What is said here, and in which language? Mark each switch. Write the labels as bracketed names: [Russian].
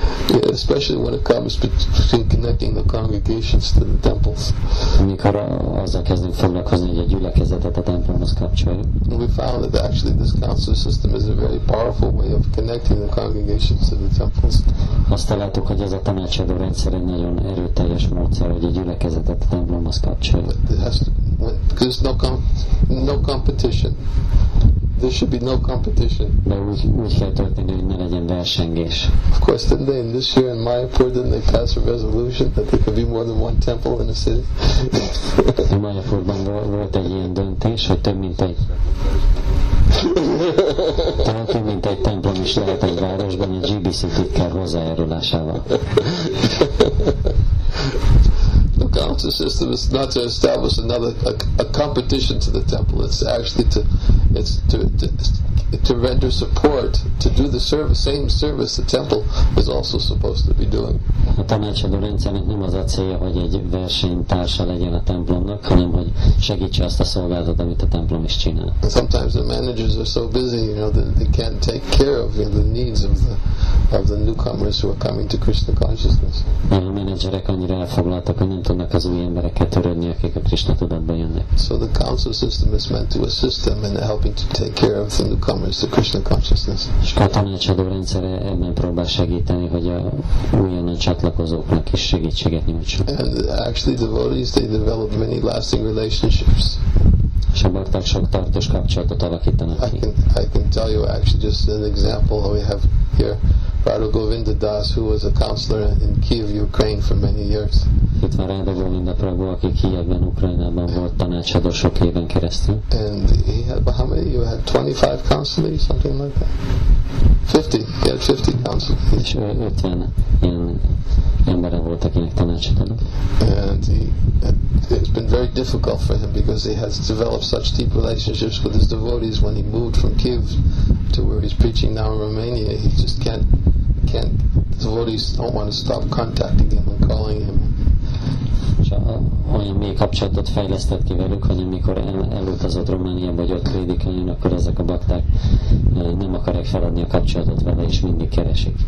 [English] Yeah, especially when it comes between connecting the congregations to the temples. [Hungarian] Amikor azzal kezdünk foglalkozni, hogy a gyülekezetet a templomhoz kapcsoljuk. [English] We found that actually this council system is a very powerful way of connecting the congregations to the temples. [Hungarian] Azt találtuk, hogy ez a tanácsadó rendszer egy nagyon erőteljes módszer, hogy a gyülekezetet a templomhoz kapcsoljuk. [English] Because no competition. There should be no competition. [Hungarian] De úgy kell történni, hogy ne legyen versengés. [English] Of course, didn't they in this year in Mayapur, didn't they pass a resolution that there could be more than one temple in a city? [Hungarian] In Mayapurban volt egy ilyen döntés, hogy több mint egy templom is lehet egy városban, a GBC titkár hozzájárulásával. [English] counter system is not to establish another a competition to the temple. It's actually to render support to do the service, same service the temple is also supposed to be doing. [Hungarian] A tanácsadó rendszernek nem az a célja, hogy egy versenytársa legyen a templomnak, hanem hogy segítse azt a szolgálatot, amit a templom is csinál. [English] And sometimes the managers are so busy, you know, that they can't take care of, you know, the needs of the newcomers who are coming to Krishna consciousness. [Hungarian] A menedzserek annyira elfoglaltak, hogy nem tudnak az új embereket törődni, akik a Krishna tudatba jönnek. [English] So the council system is meant to assist them in helping to take care of the newcomers to Krishna consciousness. [Hungarian] És a tanácsadó rendszere ebben próbál segíteni, hogy a újonnan csatlakozóknak is segítséget nyújtson. [English] And actually devotees, they develop many lasting relationships. [Hungarian] És a bhakták sok tartós kapcsolatot alakítanak ki. [English] I can tell you actually just an example that we have here. Radha Govinda Das, who was a counselor in Kiev, Ukraine for many years. [Hungarian] Itt van Radha Govinda Prabhu, aki Kievben, Ukrajnában volt tanácsadó sok éven keresztül. [English] And he had, how many? You had 25 counselors, something like that? 50. He had 50 counselors. [Hungarian] És 50 ilyen emberen volt, akinek tanácsadó. [English] And it's been very difficult for him because he has developed such deep relationships with his devotees when he moved from Kiev to where he's preaching now in Romania. He just can't, the devotees don't want to stop contacting him and calling him. [Hungarian] Olyan mély kapcsolatot fejlesztett ki velük, hogy amikor elutazott Romániába, vagy ott prédikáljon, akkor ezek a bakták nem akarják feladni a kapcsolatot vele, és mindig keresik.